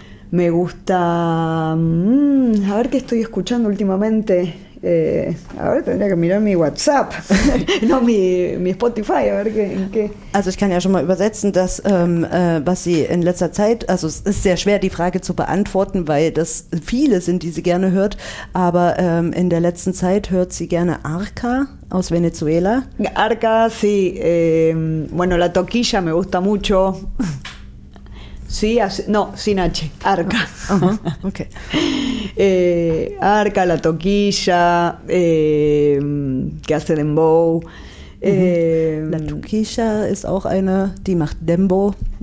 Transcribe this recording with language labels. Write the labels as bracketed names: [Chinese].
[Spanish] Me gusta... a ver qué estoy escuchando últimamente. A ver, tendría que mirar mi WhatsApp. No, mi Spotify, a ver qué. [German] Also ich kann ja schon mal übersetzen, dass was sie in letzter Zeit, also es ist sehr schwer, die Frage zu beantworten, weil das viele sind, die sie gerne hört, aber in der letzten Zeit hört sie gerne Arca aus Venezuela. [Spanish] Arca, sí. Bueno, la Toquilla me gusta mucho. Sí, no, sin H, Arca. Okay. Arca, La Toquilla, que hace dembow. [German] La Toquilla es auch eine, die macht dembow.